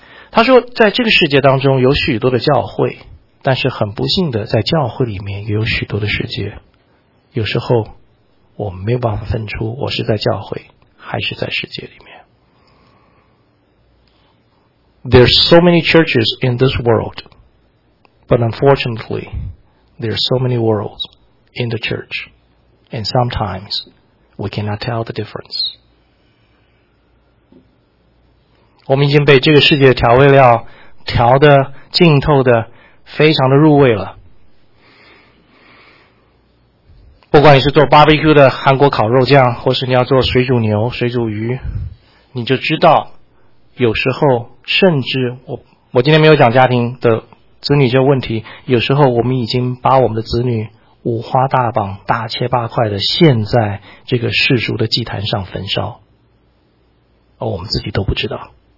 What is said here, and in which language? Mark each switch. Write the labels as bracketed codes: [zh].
[zh] 他说在这个世界当中有许多的教会，但是很不幸的在教会里面也有许多的世界。有时候我们没有办法分出我是在教会还是在世界里面。 [en] There's so many churches in this world, but unfortunately, there's so many worlds in the church, and sometimes we cannot tell the difference. [zh] 我们已经被这个世界的调味料调得浸透的非常的入味了。不管你是做 BBQ 的韩国烤肉酱，或是你要做水煮牛、水煮鱼，你就知道有时候甚至我今天没有讲家庭的子女这个问题，有时候我们已经把我们的子女五花大绑大切八块的陷在这个世俗的祭坛上焚烧，而我们自己都不知道。